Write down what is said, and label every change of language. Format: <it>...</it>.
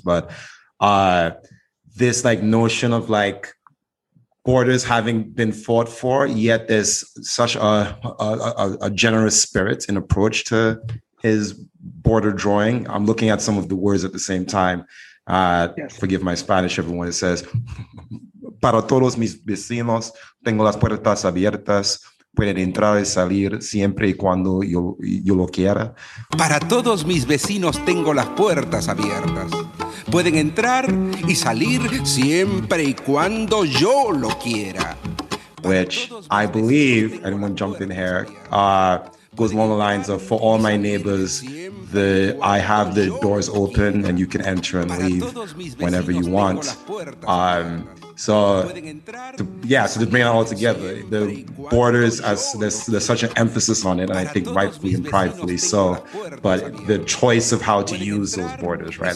<en>But this like notion of like borders having been fought for, yet there's such a generous spirit and approach to his border drawing. I'm looking at some of the words at the same time. Yes. Forgive my Spanish, everyone. It says,</en> <es>para todos mis vecinos, tengo las puertas abiertas. Pueden entrar y salir siempre y cuando yo lo quiera. Para todos mis vecinos tengo las puertas abiertas. Pueden entrar y salir siempre y cuando yo lo quiera.</es> <en>Which I believe, anyone jumped in here, goes along the lines of, for all my neighbors, I have the doors open and you can enter and leave whenever you want. So to bring it all together, the borders, as there's such an emphasis on it, and I think rightfully and pridefully so, but the choice of how to use those borders, right?</en>